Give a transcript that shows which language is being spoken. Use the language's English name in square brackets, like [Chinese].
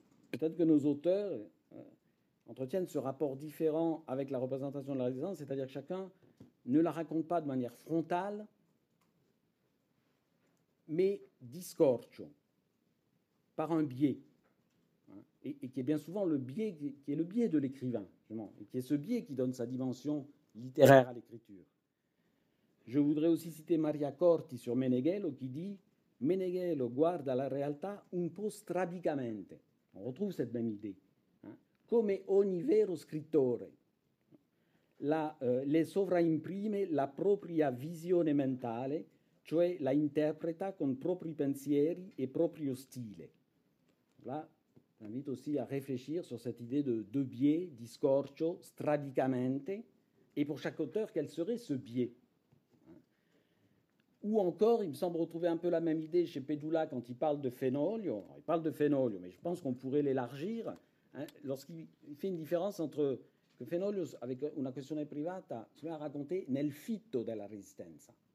[French] peut-être que nos auteurs entretiennent ce rapport différent avec la représentation de la résistance, c'est-à-dire que chacun ne la raconte pas de manière frontale, mais [Italian] di scorcio, [French] par un biais, et qui est bien souvent le biais qui est le biais de l'écrivain, et qui est ce biais qui donne sa dimension littéraire à l'écriture. Je voudrais aussi citer Maria Corti sur Meneghello qui dit « [Italian] Meneghello guarda la realtà un po' strabicamente ». [French] On retrouve cette même idée. [Italian] « Come ogni vero scrittore, le sovraimprime la propria visione mentale, cioè la interpreta con propri pensieri e proprio stile ». [French] Là, j'invite aussi à réfléchir sur cette idée de biais, [Italian] di scorcio, strabicamente, [French] et pour chaque auteur, quel serait ce biais ? Ou encore, il me semble retrouver un peu la même idée chez Pedula quand il parle de Fenoglio. Il parle de Fenoglio, mais je pense qu'on pourrait l'élargir. Hein, lorsqu'il fait une différence entre que Fenoglio, avec Una questione privata, se met à raconter [Italian] nel fitto della resistenza.